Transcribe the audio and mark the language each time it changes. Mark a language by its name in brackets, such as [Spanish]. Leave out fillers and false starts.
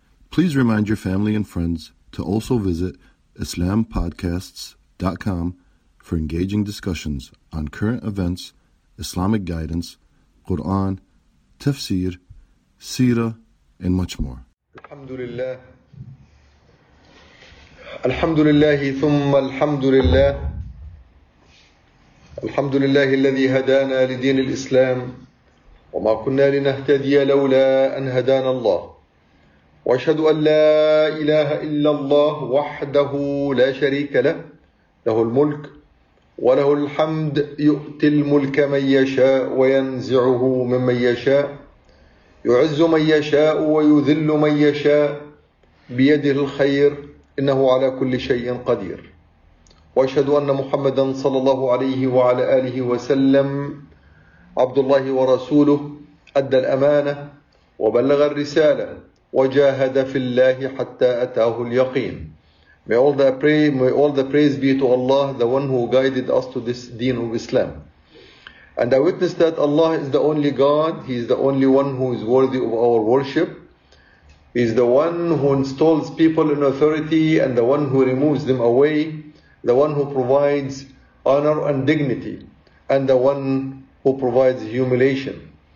[English] Please remind your family and friends to also visit IslamPodcasts.com for engaging discussions on current events, Islamic guidance, Quran, tafsir, seerah, and much more. Alhamdulillah. [Arabic] الحمد لله ثم الحمد لله الحمد لله الذي هدانا لدين الإسلام وما كنا لنهتدي لولا أن هدانا الله وأشهد أن لا إله إلا الله وحده لا شريك له له الملك وله الحمد يؤتي الملك من يشاء وينزعه ممن يشاء يعز من يشاء ويذل من يشاء بيده الخير إنه على كل شيء قدير وأشهد أن محمدا صلى الله عليه وعلى آله وسلم عبد الله ورسوله أدى الأمانة وبلغ الرسالة وجاهد في الله حتى أتاه اليقين. [English] May all the praise be to Allah, the one who guided us to this deen of Islam. And I witness that Allah is the only God, He is the only one who is worthy of our worship. He is the one who installs people in authority and the one who removes them away, the one who provides honor and dignity, and the one who provides humiliation.